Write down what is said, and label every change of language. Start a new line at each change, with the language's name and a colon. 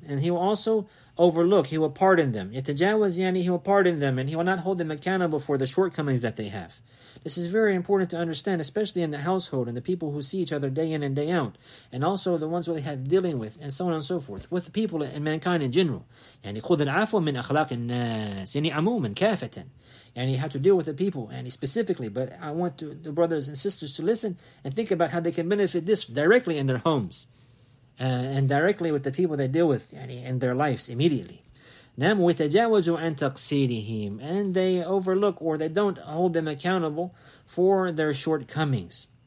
English: And he will also overlook, he will pardon them.
Arabic: يَتَجَاوَز يعني,
English: he will pardon them and he will not hold them accountable for the shortcomings that they have. This is very important to understand, especially in the household and the people who see each other day in and day out. And also the ones who they have dealing with and so on and so forth. With the people and mankind in general.
Arabic: يعني خُذ العفو من أخلاق الناس. يعني عموما كافة.
English: And he had to deal with the people, and he specifically. But I want to, the brothers and sisters to listen and think about how they can benefit this directly in their homes. And directly with the people they deal with in their lives immediately.
Arabic: نَمْ وَتَجَاوَزُوا عَنْ تَقْسِيرِهِمْ.
English: And they overlook or they don't hold them accountable for their shortcomings.